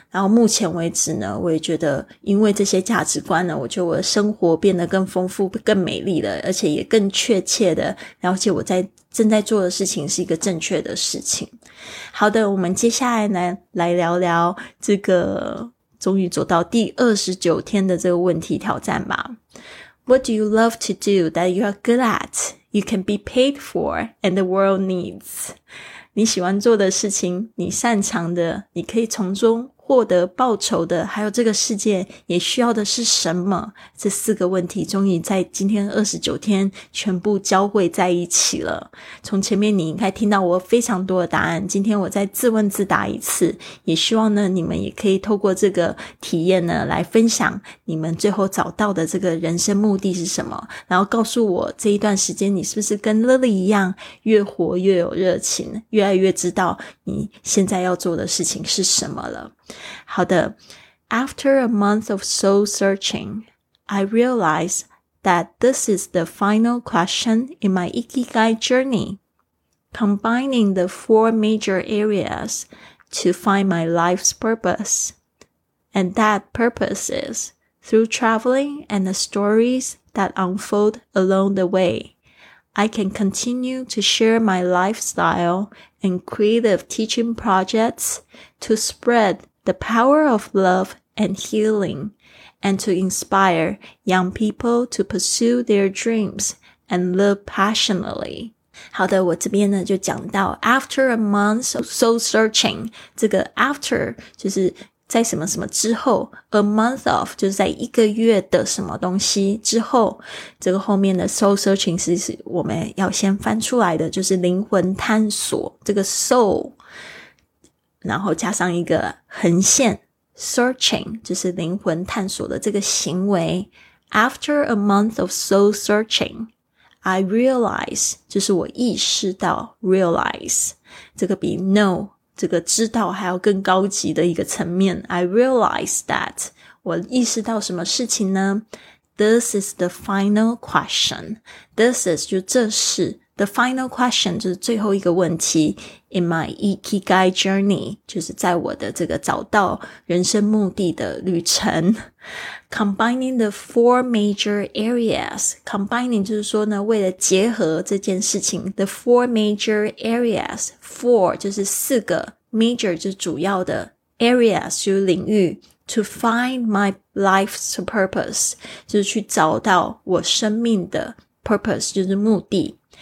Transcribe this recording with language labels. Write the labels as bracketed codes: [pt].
[zh] 然后目前为止呢，我也觉得因为这些价值观呢，我觉得我的生活变得更丰富、更美丽了，而且也更确切的了解我在正在做的事情是一个正确的事情。好的，我们接下来呢，来聊聊这个终于走到第29天的这个问题挑战吧。 [en] What do you love to do that you are good at? You can be paid for and the world needs. [zh] 你喜欢做的事情，你擅长的，你可以从中获得报酬的，还有这个世界也需要的是什么？这四个问题终于在今天29天全部交汇在一起了。从前面你应该听到我非常多的答案，今天我再自问自答一次，也希望呢你们也可以透过这个体验呢来分享你们最后找到的这个人生目的是什么，然后告诉我这一段时间你是不是跟 Lily 一样越活越有热情，越来越知道你现在要做的事情是什么了。好的， [en] After a month of soul searching, I realized that this is the final question in my Ikigai journey. Combining the four major areas to find my life's purpose. And that purpose is through traveling and the stories that unfold along the way. I can continue to share my lifestyle and creative teaching projects to spreadThe power of love and healing, and to inspire young people to pursue their dreams and live passionately. [zh] 好的，我这边呢就讲到 [en] after a month of soul searching, [zh] 这个 after 就是在什么什么之后， a month of 就是在一个月的什么东西之后，这个后面的 soul searching 是我们要先翻出来的，就是灵魂探索，这个 soul然后加上一个横线 searching, 就是灵魂探索的这个行为。 [en] After a month of soul searching, I realize, [zh] 就是我意识到 realize, 这个比 know, 这个知道还要更高级的一个层面。 [en] I realize that, [zh] 我意识到什么事情呢？ [en] This is the final question. This is, [zh] 就这是。 [en] The final question [zh] 就是最后一个问题 [en] in my Ikigai journey, [zh] 就是在我的这个找到人生目的的旅程。 [en] Combining the four major areas, [zh] combining 就是说呢，为了结合这件事情 , [en] the four major areas, [zh] four 就是四个 ,major 就是主要的 ,areas 就是领域 , [en] to find my life's purpose, [zh] 就是去找到我生命的 purpose, 就是目的。